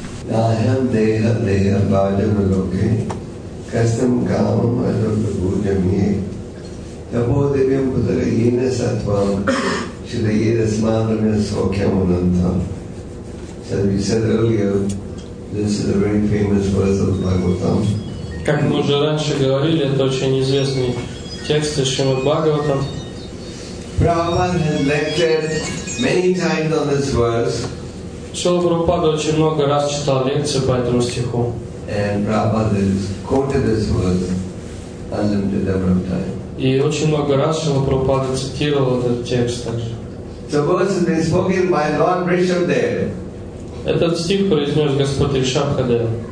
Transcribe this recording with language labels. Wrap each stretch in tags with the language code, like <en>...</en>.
<sa>Dayam Deha Deha Bajam Loke Kastam Kamam Adam Bhujam Ye Tapo Devyam Pudara Yena Satvam Shri Yena Smanam Sokyam Anantam.</sa> <en>As we said earlier, this is a very famous verse of Bhagavatam.</en> <ru>Как мы уже раньше говорили, это очень известный текст из Шримад Бхагаватам.</ru> <en>Prabhupada has lectured many times on this verse.</en> <ru>Шрила Прабхупада очень много раз читал лекции по этому стиху.</ru> <en>And Prabhupada has quoted this verse unlimited number of times.</en> <ru>И очень много раз Шрила Прабхупада цитировал этот текст также.</ru> <en>The verse has been spoken by Lord Vrishabhadeva.</en> <ru>Этот стих произнес Господь Ришабхадев.</ru>